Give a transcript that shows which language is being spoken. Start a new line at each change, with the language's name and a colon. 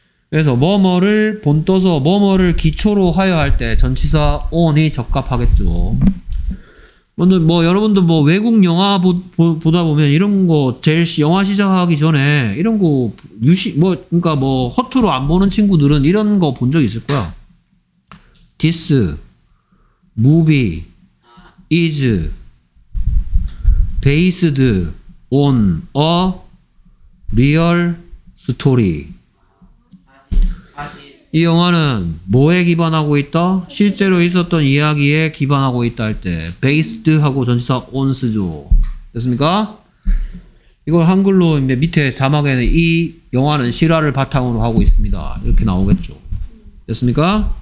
Korean: 그래서 뭐뭐를 본떠서 뭐뭐를 기초로 하여 할 때 전치사 on이 적합하겠죠. 뭐 여러분도 뭐 외국 영화 보다 보면 이런 거 제일 영화 시작하기 전에 이런 거 그러니까 뭐 허투루 안 보는 친구들은 이런 거 본 적 있을 거야.
English: This movie is based on a real story.
Korean: 이 영화는 뭐에 기반하고 있다? 실제로 있었던 이야기에 기반하고 있다 할 때 based 하고 전치사 on 쓰죠. 됐습니까? 이걸 한글로 이제 밑에 자막에는 이 영화는 실화를 바탕으로 하고 있습니다 이렇게 나오겠죠. 됐습니까?